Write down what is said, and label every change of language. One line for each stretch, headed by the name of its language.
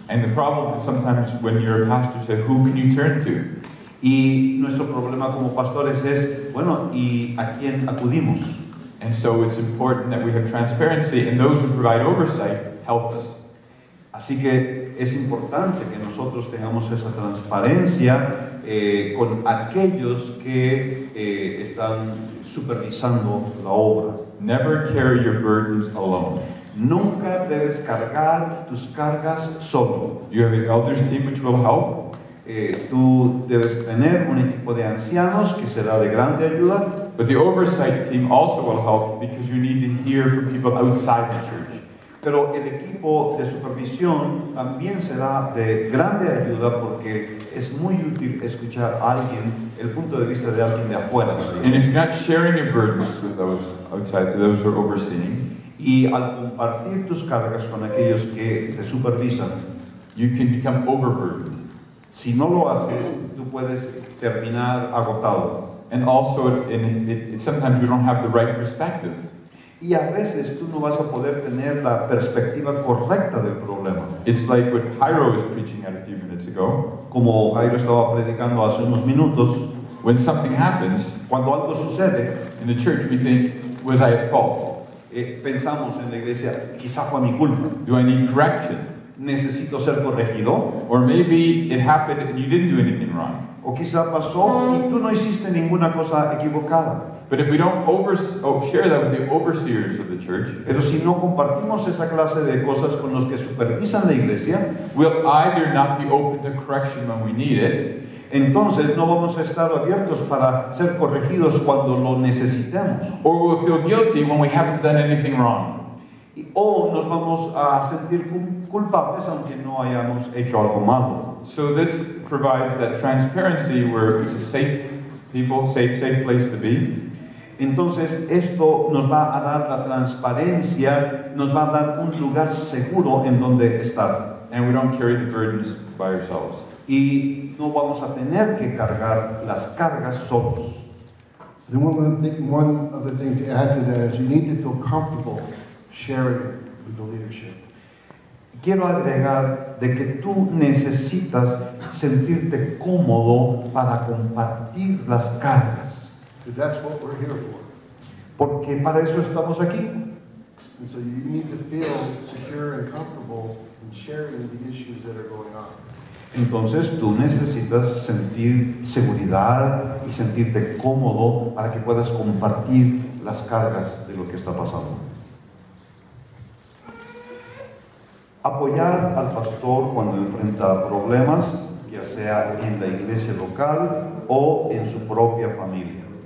English: And the problem is sometimes when you're a pastor, say, who can you turn to?
Spanish: Y nuestro problema como pastores es, bueno, ¿y a quién acudimos?
English: And so it's important that we have transparency, and those who provide oversight help us.
Spanish: Así que es importante que nosotros tengamos esa transparencia con aquellos que están supervisando la obra.
English: Never carry your burdens alone.
Spanish: Nunca debes cargar tus cargas solo.
English: You have an elders team which will help.
Spanish: Tú debes tener un equipo de ancianos que será de grande ayuda.
English: But the oversight team also will help because you need to hear from people outside the church.
Spanish: Pero el equipo de supervisión también será de grande ayuda porque es muy útil escuchar a alguien, el punto de vista de alguien de afuera.
English: And if you're not sharing your burdens with those outside, those who are overseeing,
Spanish: y al compartir tus cargas con aquellos que te supervisan,
English: you can become overburdened.
Spanish: Si no lo haces, tú puedes terminar agotado.
English: And also, it sometimes you don't have the right perspective.
Spanish: Y a veces tú no vas a poder tener la perspectiva correcta del problema.
English: It's like what Jairo was preaching at a few minutes ago.
Spanish: Como Jairo estaba predicando hace unos minutos.
English: When something happens,
Spanish: cuando algo sucede,
English: in the church we think, was I at fault?
Spanish: Pensamos en la iglesia, quizá fue mi culpa.
English: Do I need correction?
Spanish: Necesito ser corregido.
English: Or maybe it happened and you didn't do anything wrong.
Spanish: O quizá pasó y tú no hiciste ninguna cosa equivocada.
English: But if we don't share that with the overseers of the church,
Spanish: pero si no compartimos esa clase de cosas con los que supervisan la iglesia,
English: we'll either not be open to correction when we need it.
Spanish: entonces no vamos a estar abiertos para ser corregidos cuando lo necesitemos.
English: Or we'll feel guilty when we haven't done anything wrong.
Spanish: O nos vamos a sentir culpables aunque no hayamos hecho algo malo.
English: So this provides that transparency where it's a safe people, safe place to be.
Spanish: Entonces esto nos va a dar la transparencia, nos va a dar un lugar seguro en donde estar.
English: And we don't carry the burdens by ourselves.
Spanish: Y no vamos a tener que cargar las cargas solos.
English: Then one other thing to add to that is you need to feel comfortable sharing with the leadership.
Spanish: Quiero agregar de que tú necesitas sentirte cómodo para compartir las cargas.
English: Because that's what we're here for.
Spanish: Porque para eso estamos aquí.
English: And so you need to feel secure and comfortable in sharing the issues that are going on.
Spanish: Entonces tú necesitas sentir seguridad y sentirte cómodo para que puedas compartir las cargas de lo que está pasando. Apoyar al pastor cuando enfrenta problemas, ya sea en la iglesia local o en su propia familia.